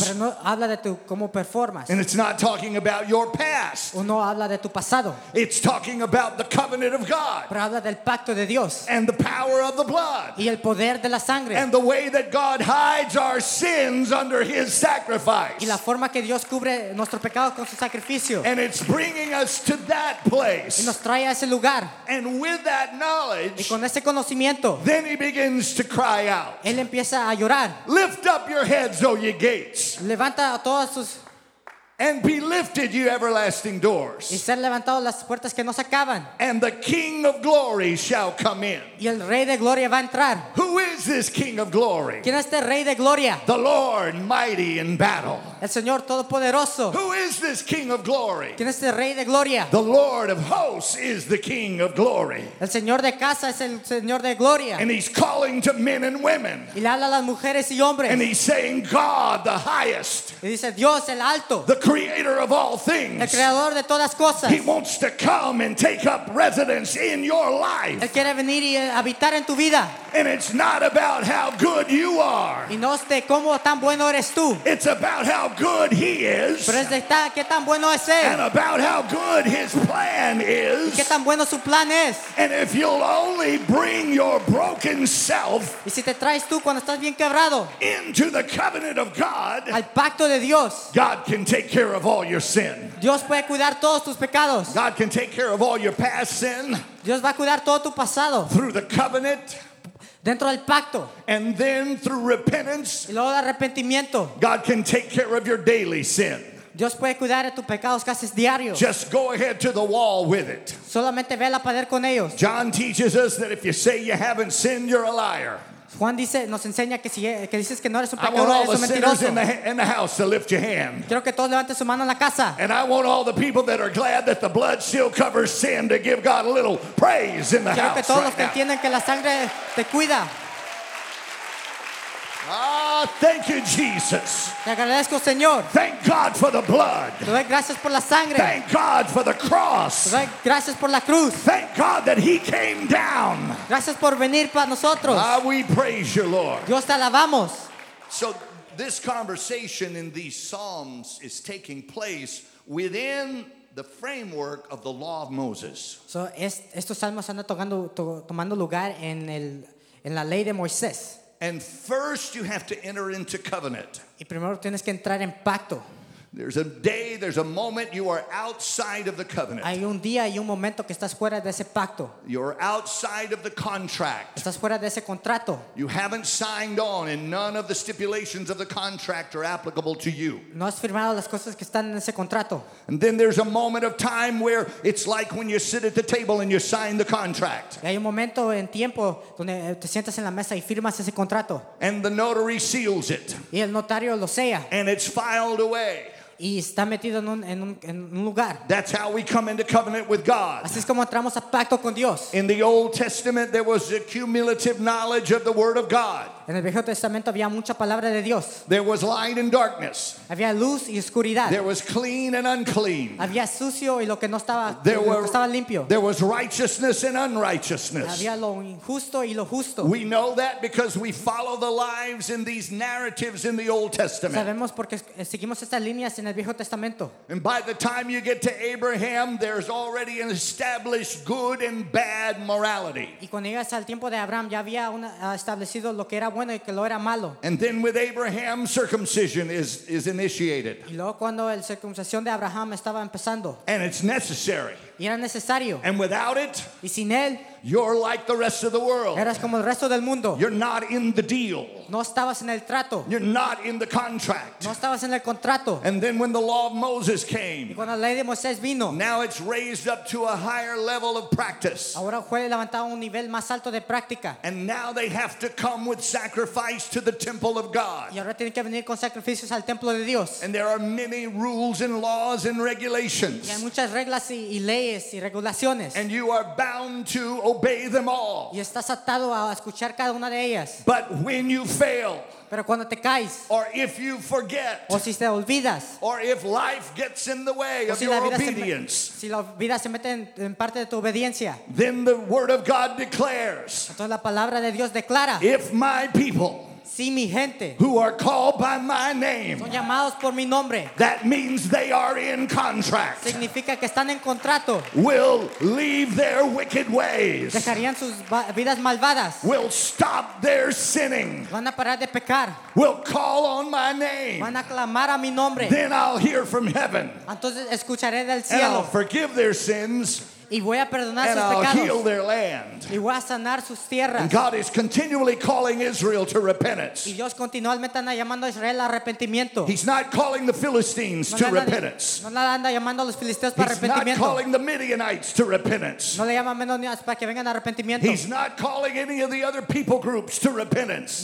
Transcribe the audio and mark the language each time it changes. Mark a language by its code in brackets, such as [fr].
[es] Pero no habla de tu cómo performas. [en] And it's not talking about your past. [es] O no habla de tu pasado. [en] It's talking about the covenant of God. [es] Pero habla del pacto de Dios. [en] And the power of the blood. [es] Y el poder de la sangre. [en] And the way that God hides our sins under His sacrifice. [es] Y la forma que Dios cubre nuestro pecado con su sacrificio. [en] And it's bringing us to that place. [es] Y nos trae a ese lugar. [en] And with that knowledge. [es] Y con ese conocimiento. [en] Then he begins to cry out. [es] Él empieza a llorar. [en] Lift up your heads, O ye gates. [es] Levanta a todos sus. [en] And be lifted, you everlasting doors. [es] Y ser levantado las puertas que no se acaban. [en] And the King of Glory shall come in. [es] Y el Rey de Gloria va a entrar. [en] Who is this King of Glory? [es] ¿Quién es este Rey de Gloria? [en] The Lord mighty in battle. [es] El Señor Todopoderoso. [en] Who is this King of Glory? [es] ¿Quién es este Rey de Gloria? [en] The Lord of Hosts is the King of Glory. [es] El Señor de Casa es el Señor de Gloria. [en] And he's calling to men and women. [es] Y le habla a las mujeres y hombres. [en] And he's saying, God the highest. [es] Y dice, Dios el alto. [en] The Creator of all things. [es] El creador de todas cosas. [en] He wants to come and take up residence in your life. [es] Él quiere venir y habitar en tu vida. [en] And it's not about how good you are. [es] Y no es de cómo tan bueno eres tú. [en] It's about how good he is. [es] Pero es de qué tan bueno es él. [en] And about how good his plan is. [es] Y qué tan bueno su plan es. [en] And if you'll only bring your broken self. [es] Y si te traes tú cuando estás bien quebrado. [en] Into the covenant of God. [es] Al pacto de Dios. [en] God can take care of all your sin. [es] Dios puede cuidar todos tus pecados. [en] God can take care of all your past sin. [es] Dios va a cuidar todo tu pasado. [en] Through the covenant. [es] Dentro del pacto. [en] And then through repentance. [es] Y luego de arrepentimiento. [en] God can take care of your daily sin. [es] Dios puede cuidar de tus pecados casi diarios. [en] Just go ahead to the wall with it. [es] Solamente ve la pared con ellos. [en] John teaches us that if you say you haven't sinned, you're a liar. [es] Juan dice, nos enseña que si que dices que no eres un pecador, eres un mentiroso. [en] In the house to lift your hand. [es] Quiero que todos levanten su mano en la casa. [en] And I want all the people that are glad that the blood still covers sin to give God a little praise in the [es] Quiero [en] house [es] que todos los que [en] now. [es] Entiendan que la sangre te cuida. [en] Ah, thank you, Jesus. [es] Te agradezco, Señor. [en] Thank God for the blood. [es] Te doy gracias por la sangre. [en] Thank God for the cross. [es] Te doy gracias por la cruz. [en] Thank God that He came down. [es] Gracias por venir para nosotros. [en] Ah, we praise you, Lord. [es] Dios te alabamos. [en] So this conversation in these Psalms is taking place within the framework of the Law of Moses. [es] So estos salmos andan tomando lugar en la ley de Moisés. [en] And first you have to enter into covenant. [es] Y primero tienes que entrar en pacto. [en] There's a day, there's a moment you are outside of the covenant. [es] Hay un día y un momento que estás fuera de ese pacto. [en] You're outside of the contract. [es] Estás fuera de ese contrato. [en] You haven't signed on and none of the stipulations of the contract are applicable to you. [es] No has firmado las cosas que están en ese contrato. [en] And then there's a moment of time where it's like when you sit at the table and you sign the contract. [es] Y hay un momento en tiempo donde te sientas en la mesa y firmas ese contrato. [en] And the notary seals it. [es] Y el notario lo sella. [en] And it's filed away. [es] y está metido en un lugar. [en] That's how we come into covenant with God. [es] Así es como entramos a pacto con Dios. [en] In the Old Testament, there was a cumulative knowledge of the Word of God. [es] En el Viejo Testamento había mucha palabra de Dios. [en] There was light and darkness. [es] Había luz y oscuridad. [en] There was clean and unclean. [es] Había sucio y lo que no estaba, lo que estaba limpio. [en] There was righteousness and unrighteousness. [es] Había lo injusto y lo justo. [en] We know that because we follow the lives in these narratives in the Old Testament. [es] Sabemos porque seguimos estas líneas en el Viejo Testamento. [en] And by the time you get to Abraham, there's already an established good and bad morality. [es] Y cuando llegas al tiempo de Abraham, ya había establecido lo que era. [en] And then with Abraham, circumcision is initiated. And it's necessary. And without it, you're like the rest of the world. [es] Eras como el resto del mundo. [en] You're not in the deal. [es] No estabas en el trato. [en] You're not in the contract. [es] No estabas en el contrato. [en] And then when the law of Moses came, [es] y cuando la ley de Moisés vino, [en] now it's raised up to a higher level of practice. [es] Ahora fue levantado a un nivel más alto de práctica. [en] And now they have to come with sacrifice to the temple of God. [es] Y ahora tienen que venir con sacrificios al templo de Dios. [en] And there are many rules and laws and regulations. [es] Y hay muchas reglas y leyes y regulaciones. [en] And you are bound to obey them all. [es] Y estás atado a escuchar cada una de ellas. [en] But when you fail, [es] pero cuando te caes, [en] or if you forget, [es] o si te olvidas, [en] or if life gets in the way of your obedience, [es] si la vida se mete en parte de tu obediencia, [en] then the word of God declares, [es] entonces la palabra de Dios declara, [en] if my people, [es] si mi gente, [en] who are called by my name, [es] son llamados por mi nombre, [en] that means they are in contract, [es] significa que están en contrato, [en] will leave their wicked ways, [es] dejarían sus vidas malvadas, [en] will stop their sinning, [es] van a parar de pecar, [en] will call on my name, [es] van a clamar a mi nombre, [en] then I'll hear from heaven, [es] entonces escucharé del cielo, [en] and I'll forgive their sins, [es] y voy a perdonar [en] and [es] sus [en] I'll [es] pecados. [en] Heal their land. [es] Y voy a sanar sus tierras. [en] And God is continually calling Israel to repentance. [es] Y Dios continuamente anda llamando a Israel a arrepentimiento. [en] He's not calling the Philistines [es] no [en] to repentance. [es] No le anda llamando a los filisteos para arrepentimiento. [en] He's not calling the Midianites to repentance. [es] No le llama a menonitas para que vengan a arrepentimiento. [en] He's not calling any of the other people groups to repentance.